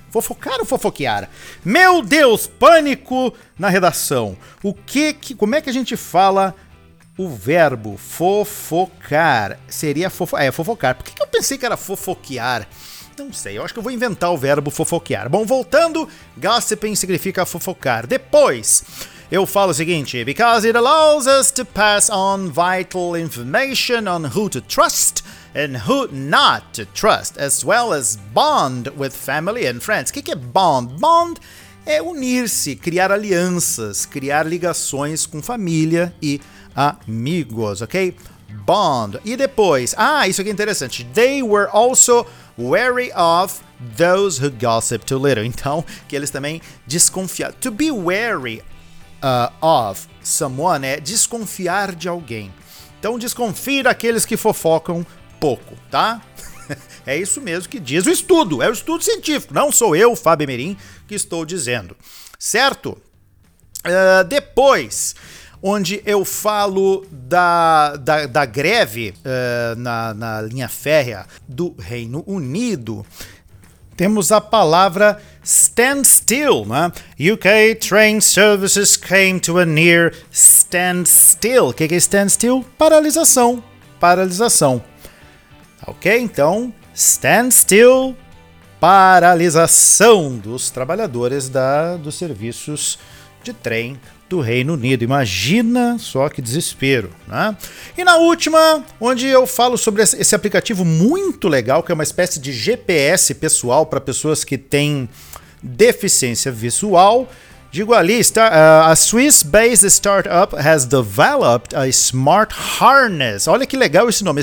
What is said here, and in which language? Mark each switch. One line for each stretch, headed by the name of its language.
Portuguese: Fofocar ou fofoquear? Meu Deus, pânico na redação. Como é que a gente fala o verbo fofocar? Seria fofocar. Por que eu pensei que era fofoquear? Não sei, eu acho que eu vou inventar o verbo fofoquear. Bom, voltando, gossiping significa fofocar. Depois, eu falo o seguinte:
English: because it allows us to pass on vital information on who to trust and who not to trust, as well as bond with family and friends.
Portuguese: O que é bond? Bond é unir-se, criar alianças, criar ligações com família e amigos, ok? Bond. E depois, isso aqui é interessante.
English: They were also wary of those who gossip too little.
Portuguese: Então, que eles também desconfiam.
English: To be wary of someone
Portuguese: é desconfiar de alguém. Então, desconfie daqueles que fofocam pouco, tá? É isso mesmo que diz o estudo. É o estudo científico. Não sou eu, Fábio Merim, que estou dizendo. Certo? Depois, onde eu falo da greve na linha férrea do Reino Unido, temos a palavra standstill, né?
English: UK train services came to a near standstill.
Portuguese: O que é standstill? Paralisação. Paralisação. Ok? Então, standstill, paralisação dos trabalhadores dos serviços de trem do Reino Unido. Imagina só que desespero, né? E na última, onde eu falo sobre esse aplicativo muito legal, que é uma espécie de GPS pessoal para pessoas que têm deficiência visual, digo ali,
English: a Swiss-based startup has developed a smart harness.
Portuguese: Olha que legal esse nome.